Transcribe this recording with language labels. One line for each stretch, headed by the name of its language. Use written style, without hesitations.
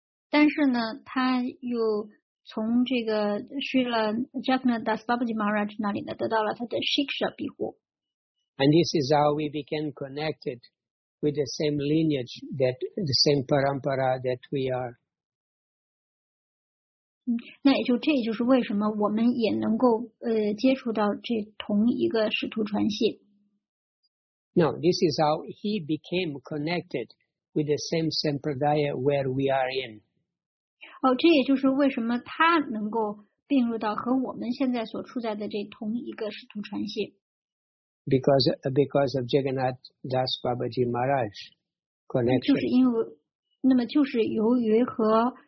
Chinese: 但是呢，他又从这个 Sri Jagannath Das Babaji Maharaj 那里呢，得到了他的 shiksha 庇护。
English: And this is how we became connected with the same lineage, that the same parampara that we are.
Chinese: 那也就这也就是为什么我们也能够接触到这同一个使徒传系。
English: No, this is how he became connected with the same sampradaya where we are in.
Chinese: 哦，这也就是为什么他能够并入到和我们现在所处在的这同一个使徒传系。
English: Because of Jagannath Das Babaji Maharaj connection.
Chinese: 就是因为，那么就是由于和。